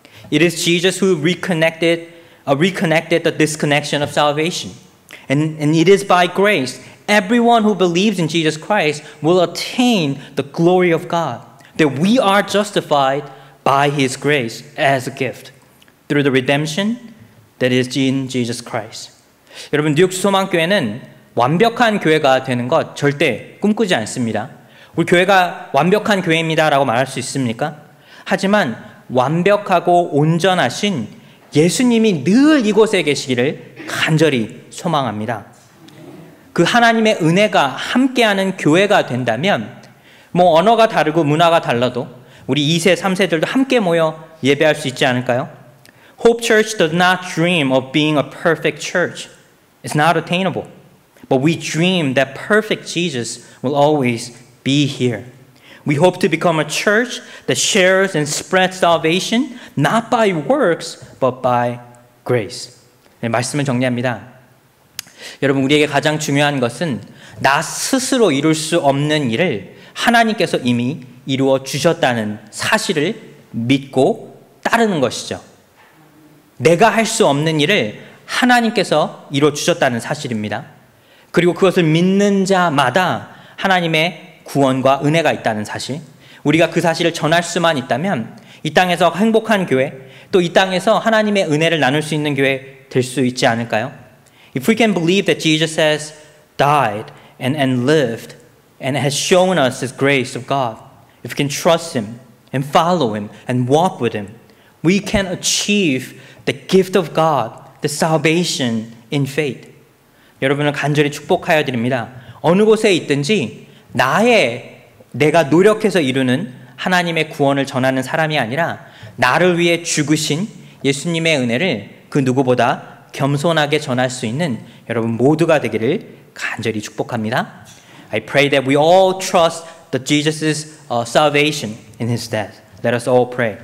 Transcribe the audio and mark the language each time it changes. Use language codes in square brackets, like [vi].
[en] It is Jesus who reconnected the disconnection of salvation. And it is by grace everyone who believes in Jesus Christ will attain the glory of God that we are justified by his grace as a gift through the redemption that is in Jesus Christ. [ko] 여러분 뉴욕스 소망교회는 완벽한 교회가 되는 것 절대 꿈꾸지 않습니다. 우리 교회가 완벽한 교회입니다라고 말할 수 있습니까? 하지만 완벽하고 온전하신 예수님이 늘 이곳에 계시기를 간절히 소망합니다. 그 하나님의 은혜가 함께하는 교회가 된다면 뭐 언어가 다르고 문화가 달라도 우리 2세, 3세들도 함께 모여 예배할 수 있지 않을까요? [en] Hope Church does not dream of being a perfect church. It's not attainable. But we dream that perfect Jesus will always be here. We hope to become a church that shares and spreads salvation not by works but by grace. [ko] 네, 말씀을 정리합니다. 여러분 우리에게 가장 중요한 것은 나 스스로 이룰 수 없는 일을 하나님께서 이미 이루어 주셨다는 사실을 믿고 따르는 것이죠. 내가 할 수 없는 일을 하나님께서 이루어 주셨다는 사실입니다. 그리고 그것을 믿는 자마다 하나님의 구원과 은혜가 있다는 사실, 우리가 그 사실을 전할 수만 있다면 이 땅에서 행복한 교회, 또 이 땅에서 하나님의 은혜를 나눌 수 있는 교회 될 수 있지 않을까요? [en] If we can believe that Jesus has died and lived and has shown us his grace of God, if we can trust him and follow him and walk with him, we can achieve the gift of God, the salvation in faith. [ko] 여러분을 간절히 축복하여 드립니다. 어느 곳에 있든지 나의 내가 노력해서 이루는 하나님의 구원을 전하는 사람이 아니라 나를 위해 죽으신 예수님의 은혜를 그 누구보다 겸손하게 전할 수 있는 여러분 모두가 되기를 간절히 축복합니다. [en] I pray that we all trust that Jesus' salvation in his death. Let us all pray.